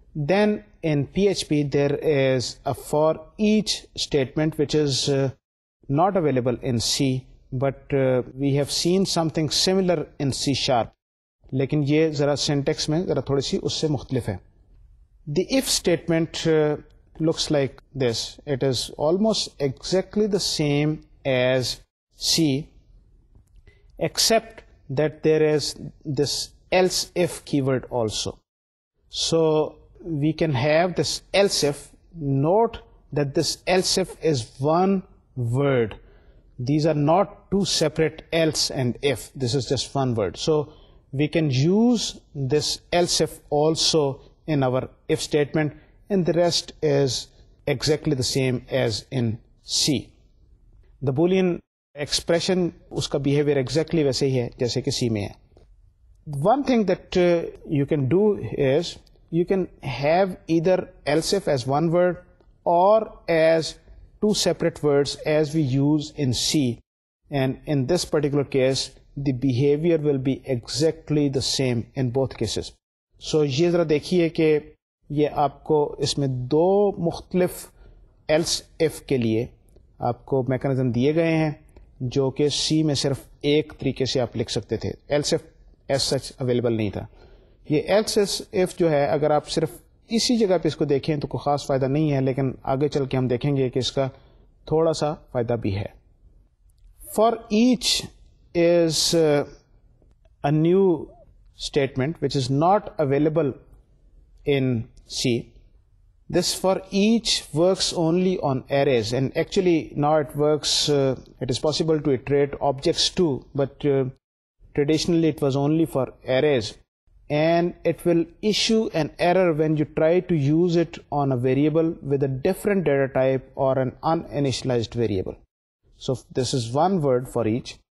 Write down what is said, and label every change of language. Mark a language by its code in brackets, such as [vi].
[en] Then in PHP there is a for each statement which is not available in C, but we have seen something similar in C sharp. [ur] لیکن یہ ذرا syntax میں ذرا تھوڑی سی اس سے مختلف ہے. [en] The if statement looks like this. It is almost exactly the same as C, except that there is this else if keyword also. So we can have this else if. Note that this else if is one word. These are not two separate else and if. This is just one word. So we can use this else if also in our if statement, and the rest is exactly the same as in C. The Boolean expression, [ur] uska behavior exactly waise hi hai, jaise ki C mein hai. [en] One thing that you can do is, you can have either else if as one word, or as two separate words as we use in C. And in this particular case, the behavior will be exactly the same in both cases. [ur] So, ye zara dekhiye ke, یہ آپ کو اس میں دو مختلف else if کے لیے آپ کو mechanism دیے گئے ہیں جو کہ سی میں صرف ایک طریقے سے آپ لکھ سکتے تھے. [en] else if as such available [ur] نہیں تھا. یہ ایلس ایف جو ہے اگر آپ صرف اسی جگہ پہ اس کو دیکھیں تو کوئی خاص فائدہ نہیں ہے, لیکن آگے چل کے ہم دیکھیں گے کہ اس کا تھوڑا سا فائدہ بھی ہے. [en] For each is a new statement which is not available in C. This for each works only on arrays, and actually now it works, it is possible to iterate objects too, but traditionally it was only for arrays, and it will issue an error when you try to use it on a variable with a different data type or an uninitialized variable. So this is one word for each.